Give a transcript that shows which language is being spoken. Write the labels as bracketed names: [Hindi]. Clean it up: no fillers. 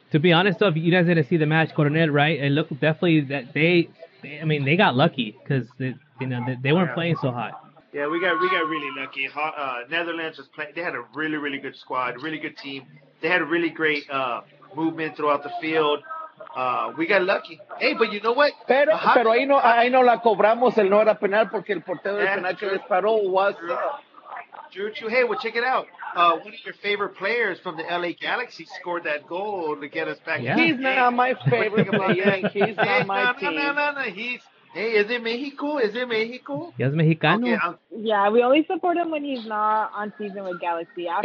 [English] To be honest, though, if you guys didn't see the match, Coronel, right? It looked definitely that they got lucky because, they weren't playing so hot. Yeah, we got really lucky. Netherlands was playing. They had a really, really good squad, really good team. They had a really great movement throughout the field. We got lucky. Hey, but you know what? [Spanish] Pero ahí no la cobramos. El no era penal porque el portero del penal que les paró was. [English] Drew, hey, well, check it out. One of your favorite players from the LA Galaxy scored that goal to get us back. Yeah. He's not my favorite player. He's not my team. Hey, is it Mexico? Yes, Mexicano. Okay, yeah, we only support him when he's not on season with Galaxy.